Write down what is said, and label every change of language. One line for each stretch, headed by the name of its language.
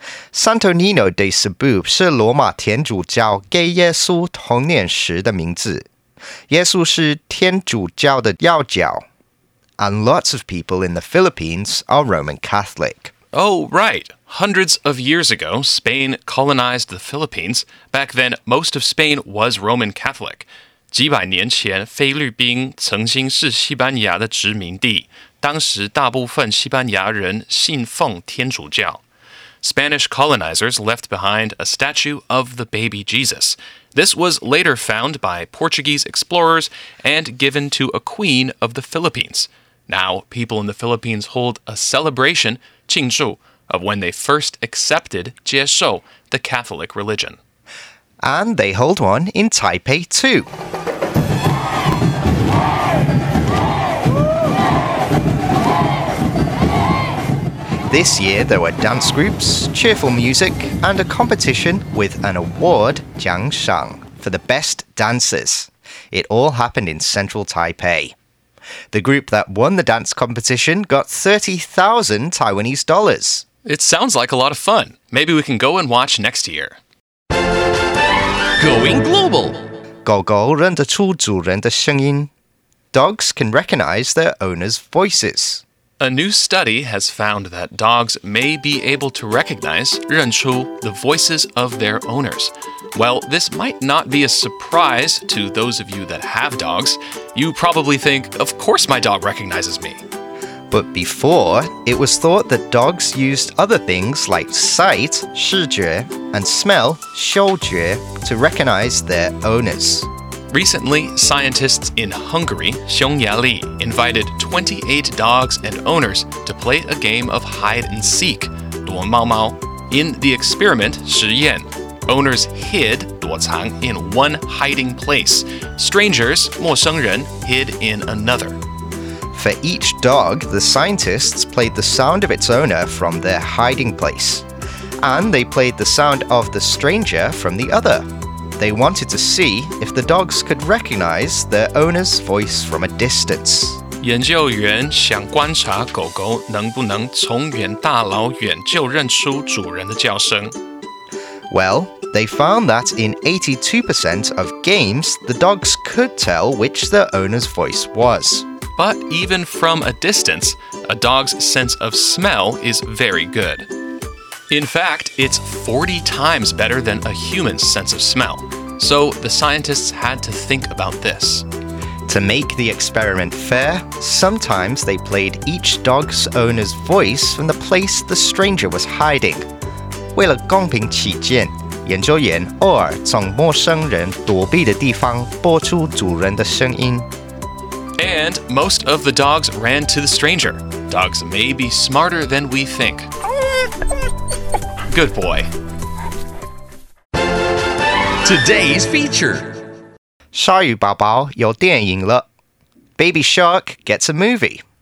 Chinese: Santo Niño de Cebu 是罗马天主教给耶稣童年时的名字。耶稣是天主教的要角。
English: And lots of people in the Philippines are Roman Catholic. Oh, right. Hundreds of years ago, Spain colonized the Philippines. Back then, most of Spain was Roman Catholic.
Chinese: 几百年前，菲律宾曾经是西班牙的殖民地。当时大部分西班牙人信奉天主教。
English: Spanish colonizers left behind a statue of the baby Jesus. This was later found by Portuguese explorers and given to a queen of the Philippines. Now, people in the Philippines hold a celebration, 庆祝, of when they first accepted, 接受, the Catholic religion. And they hold one in Taipei too. This year, there were dance groups, cheerful music, and a competition with an award, Jiang Shang, for the best dancers. It all happened in central Taipei. The group that won the dance competition got 30,000 Taiwanese dollars. It sounds like a lot of fun. Maybe we can go and watch next year. Going global!
Chinese: 狗狗认得出主人的声音。
English: Dogs can recognize their owner's voices. A new study has found that dogs may be able to recognize, 认出, the voices of their owners. Well, this might not be a surprise to those of you that have dogs. You probably think, of course my dog recognizes me. But before, it was thought that dogs used other things like sight, 视觉, and smell, 嗅觉, to recognize their owners. Recently, scientists in Hungary, Xiongyali, invited 28 dogs and owners to play a game of hide-and-seek, 躲猫猫. In the experiment, 实验, owners hid, 躲藏, in one hiding place. Strangers, 陌生人, hid in another. For each dog, the scientists played the sound of its owner from their hiding place. And they played the sound of the stranger from the other. They wanted to see if the dogs could recognize their owner's voice from a distance.
Chinese: 研究员想观察狗狗能不能从远大老远就认出主人的叫声。
English: Well, they found that in 82% of games, the dogs could tell which their owner's voice was. But even from a distance, a dog's sense of smell is very good. In fact, it's 40 times better than a human's sense of smell. So the scientists had to think about this. To make the experiment fair, sometimes they played each dog's owner's voice from the place the stranger was hiding.
Chinese: 为了公平起见，研究员偶尔从陌生人躲避的地方播出主人的声音。
English: And most of the dogs ran to the stranger. Dogs may be smarter than we think. Good boy. Today's feature.
Chinese: 鲨鱼宝宝有电影了。
English: Baby Shark gets a movie.